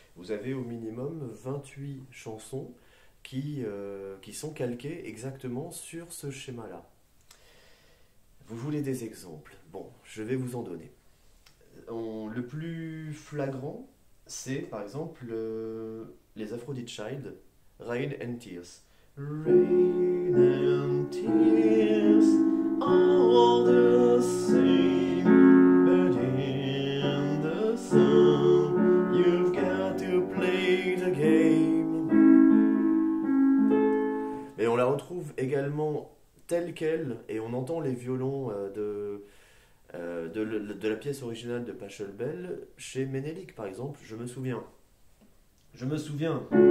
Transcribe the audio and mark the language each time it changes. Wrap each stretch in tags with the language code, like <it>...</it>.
<fr>Vous avez au minimum 28 chansons qui sont calquées exactement sur ce schéma-là. Vous voulez des exemples? Bon, je vais vous en donner. Le plus flagrant, c'est par exemple les Aphrodite Child, Rain and Tears.</fr> <en>Rain and tears all the same, but in the sun, you've got to play the game.</en> <fr>Mais on la retrouve également telle quelle, et on entend les violons de la pièce originale de Pachelbel chez Ménélique, par exemple. Je me souviens. Je me souviens.</fr>